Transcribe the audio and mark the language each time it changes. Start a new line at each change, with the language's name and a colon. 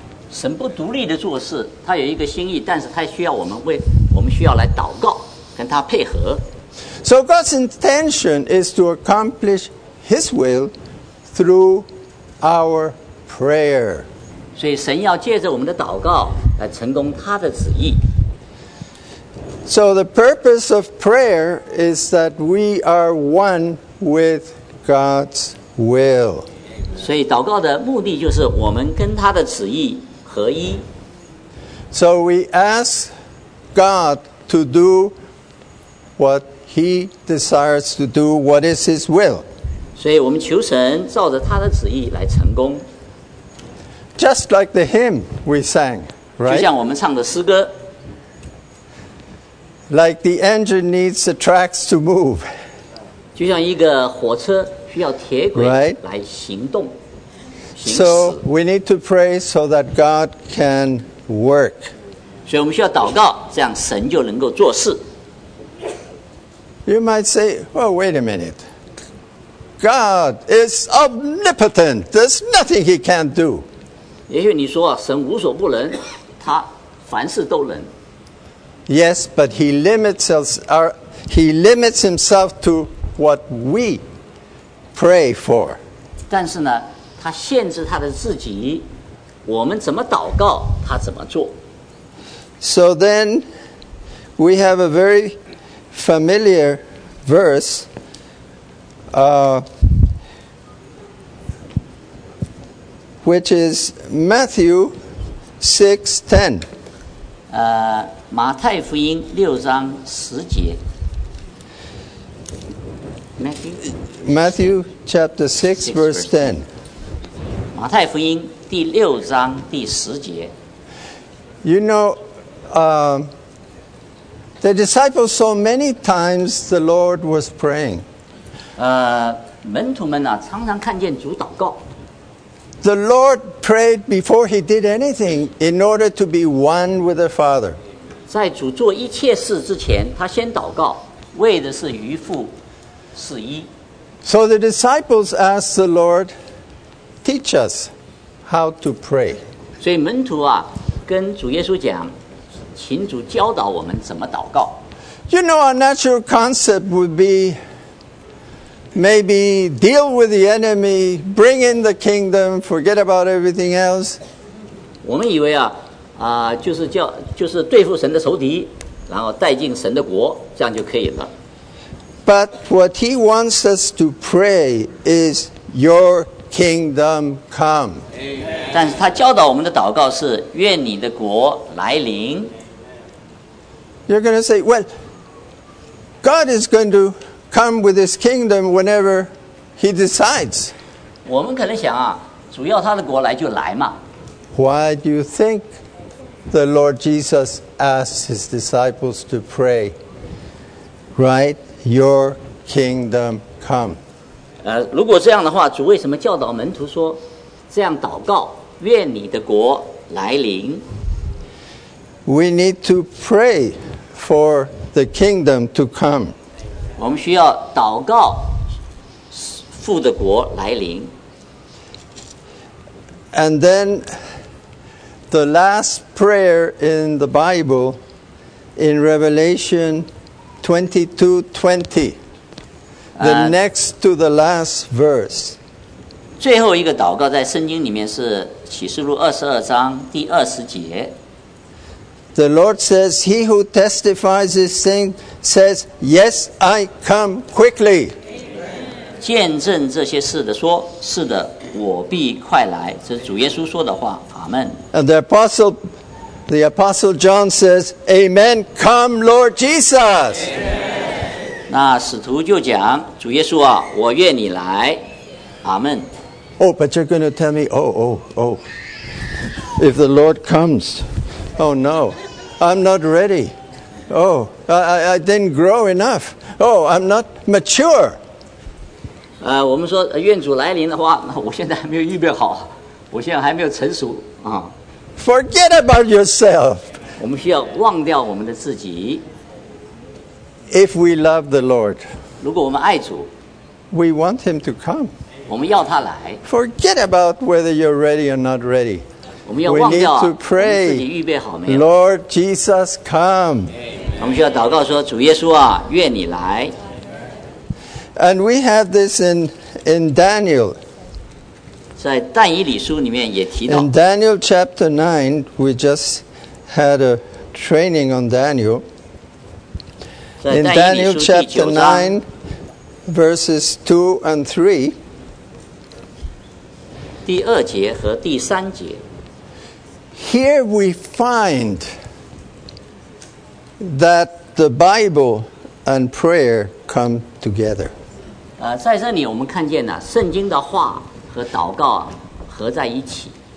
Chinese: 神不独立的做事，他有一个心意，但是他需要我们需要来祷告，跟他配合。
English: So God's intention is to accomplish His will through our prayer.
Chinese: 所以神要借着我们的祷告来成功他的旨意。
English: So the purpose of prayer is that we are one with God's will.
Chinese: 所以祷告的目的就是我们跟他的旨意合一。
English: So we ask God to do what He desires to do what is His will.
Chinese: 所以我们求神照着他的旨意来成功。
English: Just like the hymn we sang, right?
Chinese: 就像我们唱的诗歌。
English: Like the engine needs the tracks to move.
Chinese: 就像一个火车需要铁轨来行动。
English: So we need to pray so that God can work.
Chinese: 所以我们需要祷告，这样神就能够做事。
English: You might say, well, wait a minute. God is omnipotent. There's nothing He can't do.
Chinese: 也许你说啊，神无所不能，他凡事都能。
English: Yes, but He limits Himself to what we pray for.
Chinese: 但是呢，他限制他的自己，我们怎么祷告，他怎么做。
English: So then, we have a very familiar verse, which is Matthew 6:10.
Chinese: 马太福音6:10.
English: Matthew chapter 6:10.
Chinese: 马太福音第六章第十节。
English: You know, The disciples saw many times the Lord was praying.
Chinese: 门徒们啊，常常看见主祷告。
English: The Lord prayed before he did anything in order to be one with the Father.
Chinese: 在主做一切事之前，他先祷告，为的是与父是一。
English: So the disciples asked the Lord, "Teach us how to pray."
Chinese: 所以门徒啊，跟主耶稣讲，请主教导我们怎么祷告。
English: You know, our natural concept would be. Maybe deal with the enemy, bring in the kingdom, forget about everything else.
Chinese: 我们以为啊，啊、就是叫就是对付神的仇敌，然后带进神的国，这样就可以了。
English: But what he wants us to pray is your kingdom come. Amen.
Chinese: 但是他教导我们的祷告是愿你的国来临。
English: You're going to say, well, God is going to. Come with his kingdom whenever he decides.
Chinese: 我们可能想啊，主要他的国来就来嘛。
English: Why do you think the Lord Jesus asked his disciples to pray? Right, your kingdom come.
Chinese: 如果这样的话，主为什么教导门徒说这样祷告，愿你的国来临？
English: We need to pray for the kingdom to come.
Chinese: 我们需要祷告，父的国来临。
English: And then, the last prayer in the Bible, in Revelation 22:20, the next to the last verse.
Chinese: 最后一个祷告在圣经里面是启示录二十二章第二十节。
English: The Lord says, "He who testifies this thing says, 'Yes, I come quickly.'"
Chinese: 见证这些事的说，是的，我必快来。这是主耶稣说的话。阿门。
English: And the apostle John says, "Amen, come, Lord Jesus."
Chinese: 那使徒就讲，主耶稣啊，我愿你来。阿门。
English: Oh, but you're going to tell me, oh, if the Lord comes. Oh no, I'm not ready. Oh, I didn't grow enough. Oh, I'm not mature.
Chinese: 我们说愿主来临的话，那我现在还没有预备好，我现在还没有成熟啊。
English: Forget about yourself.
Chinese: 我们需要忘掉我们的自己。
English: If we love the Lord,
Chinese: 如果我们爱主
English: we want Him to come.
Chinese: 我们要他来。
English: Forget about whether you're ready or not ready.
Chinese: 我们要忘掉，我们自己预备好没有
English: ？Lord Jesus, come.
Chinese: 我们需要祷告说，主耶稣啊，愿你来。
English: And we have this in Daniel.
Chinese: 在但以理书里面也提到。
English: In Daniel chapter 9, we just had a training on Daniel. In Daniel chapter 9, verses 2 and 3.
Chinese: 第二节和第三节。
English: Here we find that the Bible and prayer come together.
Chinese: 在这里我们看见呢，圣经的话和祷告合在一起。